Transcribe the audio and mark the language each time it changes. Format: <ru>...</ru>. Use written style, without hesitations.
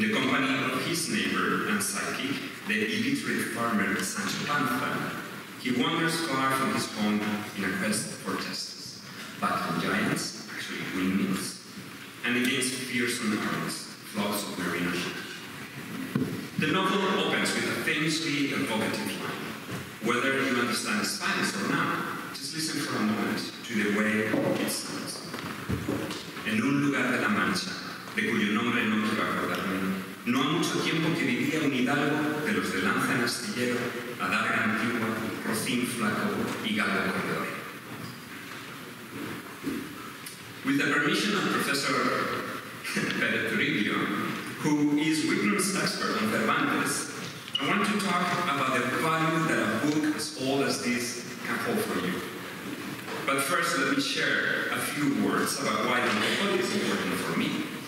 <en>in the company of his neighbor and psychic, the illiterate farmer Sancho Panza, he wanders far from his home in a quest for justice, battling giants, actually windmills, and against fearsome armies, flocks of marine sheep. The novel opens with a famously evocative line. Whether you understand Spanish or not, just listen for a moment to the way it sounds.</en> <es>En un lugar de la Mancha, de cuyo nombre no quiero acordarme, no ha mucho tiempo que vivía un hidalgo de los de lanza en astillero, adarga antigua, rocín flaco y galgo corredor.</es> <en>With the permission of Professor Pedro Turibio, who is Whitman's expert on Cervantes, I want to talk about the value that a book as old as this can hold for you. But first, let me share a few words about why the book is important for me.</en>